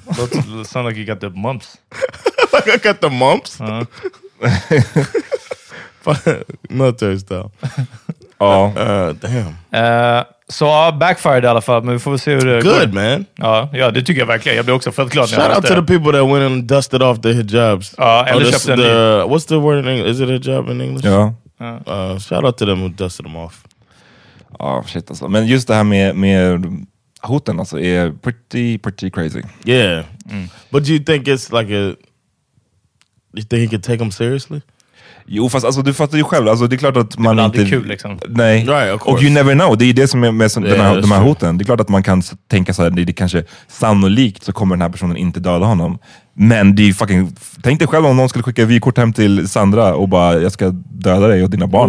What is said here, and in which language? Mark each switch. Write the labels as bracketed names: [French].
[English] It sounds like you got the mumps. Like I got the mumps? Military style. [Swedish] Ja. [English] Damn. [Swedish] Så so, [English] backfired [Swedish] i alla fall. Men vi får se hur det [English] good, [Swedish] går. [English] Man. [Swedish] Ja, det tycker jag verkligen. Jag blir också fett glad. [English] Shout out to the people that went and dusted off the hijabs. [Swedish] Eller köpte en ny. [English] What's the word in English? Is it hijab in English? [Swedish] Ja. [English] Shout out to them who dusted them off. [Swedish] Ja, shit alltså. Men just det här med hoten alltså är [English] pretty crazy. Yeah. Mm. But do you think it's like a... Do you think you can take them seriously? [Swedish] Jo, fast alltså, du fattar ju själv. Alltså, det är klart att det man inte... Det är kul liksom. Nej. [English] Right, of course. [Swedish] Och [English] you never know. [Swedish] Det är det som är med så, [English] yeah, [Swedish] de här hoten. Det är klart att man kan tänka så här, det kanske sannolikt så kommer den här personen inte döda honom. Men det är fucking... Tänk dig själv om någon skulle skicka vykort hem till Sandra och bara, jag ska döda dig och dina barn.